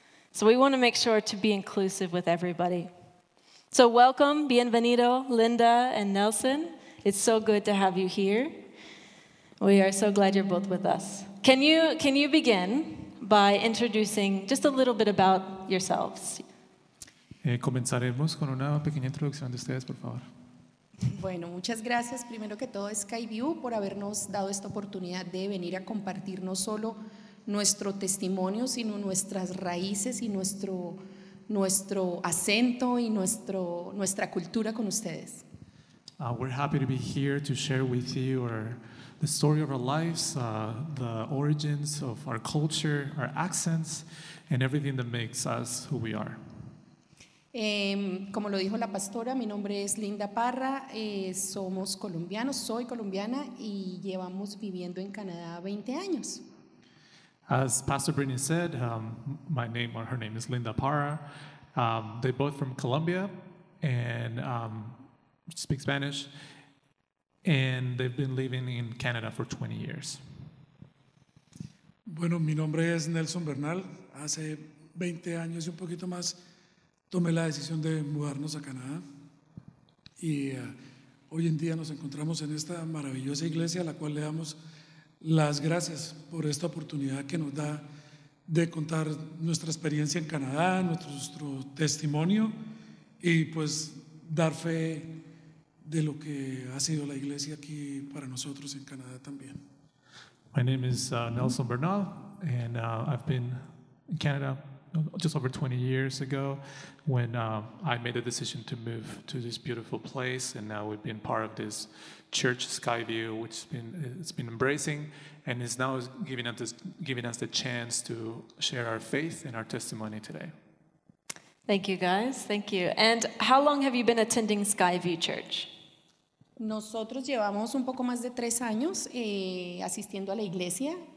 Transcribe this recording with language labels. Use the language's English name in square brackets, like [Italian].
[English] So we want to make sure to be inclusive with everybody. So welcome, bienvenido, Linda and Nelson. It's so good to have you here. We are so glad you're both with us. Can you begin? by introducing just a little bit about yourselves. [Spanish] Comenzaremos con una pequeña introducción de ustedes, por favor. Bueno, muchas gracias primero que todo Skyview por habernos dado esta oportunidad de venir a compartir no solo nuestro testimonio, sino nuestras raíces y nuestro acento y nuestra cultura con ustedes. [English] We're happy to be here to share with you the story of our lives, the origins of our culture, our accents, and everything that makes us who we are. [Spanish] Como lo dijo la pastora, mi nombre es Linda Parra, somos colombianos, soy colombiana y llevamos viviendo en Canadá 20 años. [English] As Pastor Brittany said, her name is Linda Parra. They're both from Colombia and speak Spanish, and they've been living in Canada for 20 years. [Spanish] Bueno, mi nombre es Nelson Bernal, hace 20 años y un poquito más. Tomé la decisión de mudarnos a Canadá y hoy en día nos encontramos en esta maravillosa iglesia a la cual le damos las gracias por esta oportunidad que nos da de contar nuestra experiencia en Canadá, nuestro testimonio y pues dar fe de lo que ha sido la iglesia aquí para nosotros en Canadá también. [English] My name is Nelson Bernal and I've been in Canada just over 20 years ago when I made the decision to move to this beautiful place, and now we've been part of this church Skyview, which it's been embracing and is now giving us the chance to share our faith and our testimony today. Thank you guys, thank you. And how long have you been attending Skyview Church? [Spanish] Nosotros llevamos un poco más de 3 años asistiendo a la iglesia.